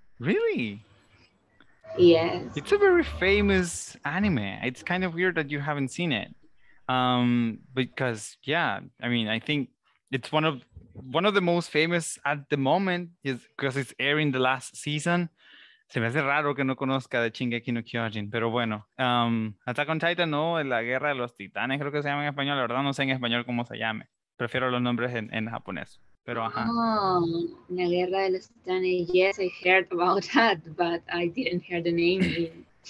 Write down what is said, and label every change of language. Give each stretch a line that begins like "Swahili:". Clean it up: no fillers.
English: Really? Yes. It's a very famous anime. It's kind of weird that you haven't seen it. Because, yeah, I mean, I think it's one of the most famous at the moment is because it's airing the last season.
Spanish: Se me hace raro que no conozca de Shingeki no Kyojin, pero bueno. Attack on Titan, no, La Guerra de los Titanes, creo que se llama en español. La verdad no sé en español cómo se llame. Prefiero los nombres en japonés, pero ajá.
English: Oh, La Guerra de los Titanes, yes, I heard about that, but I didn't hear the name.